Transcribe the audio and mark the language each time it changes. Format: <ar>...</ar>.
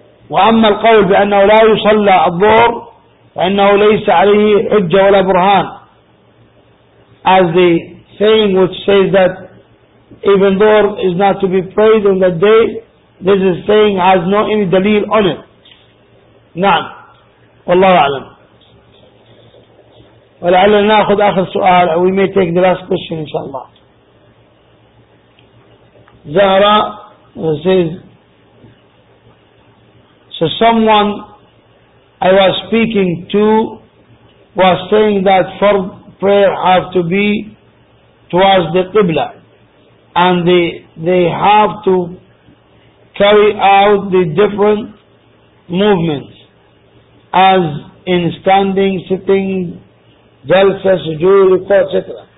<ar>وأما القول بأنه لا يصلى الظهر وأنه ليس عليه حجة ولا برهان,</ar> <en>as the saying which says that even Dhuhr is not to be prayed on that day, this is saying has no any دليل on it.</en> <ar>نعم والله أعلم. ولعلنا نأخذ آخر سؤال,</ar> <en>we may take the last question</en> <ar>إن شاء الله.</ar> <en>زهراء says, so someone I was speaking to was saying that for prayer have to be towards the Qibla, and they have to carry out the different movements as in standing, sitting, jalsa, sujood, etc.</en>